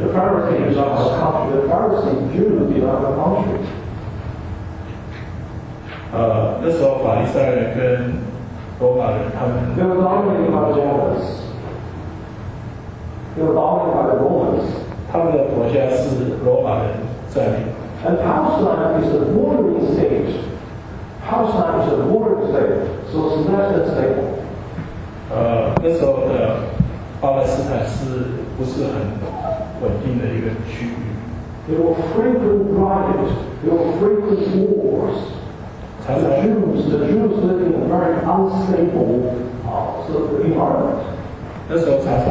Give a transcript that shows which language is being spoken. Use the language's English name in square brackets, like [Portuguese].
[English] The Pharisees are not a country. The Pharisees Jews are not a country. [Chinese] 那时候法利赛人跟 罗马人他们, [English] they were dominated by the Romans. They were dominated by the Romans. [Chinese] 他们的国家是罗马人占领。 [English] And Palestine is a bordering state. Palestine is a bordering state, so it's less than stable. [Chinese] 那时候的巴勒斯坦是不是很稳定的一个区域？ [English] There were frequent riots. There were frequent wars. The Jews lived in a very unstable environment.